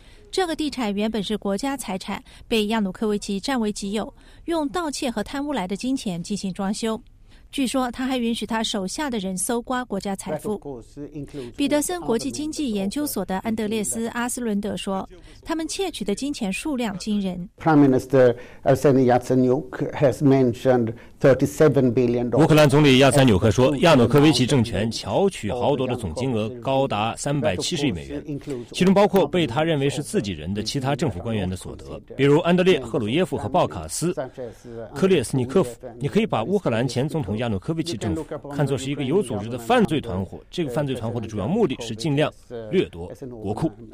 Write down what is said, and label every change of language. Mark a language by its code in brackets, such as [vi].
[zh] 这个地产原本是国家财产，被亚努科维奇占为己有，用盗窃和贪污来的金钱进行装修。据说他还允许他手下的人搜刮国家财富。彼得森国际经济研究所的安德烈斯·阿斯伦德说，他们窃取的金钱数量惊人。 [en] Prime Minister Arseniy Yatsenyuk has mentioned $37 billion. [zh] 乌克兰总理亚塞纽克说，亚努科维奇政权巧取豪夺的总金额高达370亿美元，其中包括被他认为是自己人的其他政府官员的所得，比如安德烈·赫鲁耶夫和鲍卡斯·克列斯尼科夫。你可以把乌克兰前总统亚努科维奇政府看作是一个有组织的犯罪团伙，这个犯罪团伙的主要目的是尽量掠夺国库。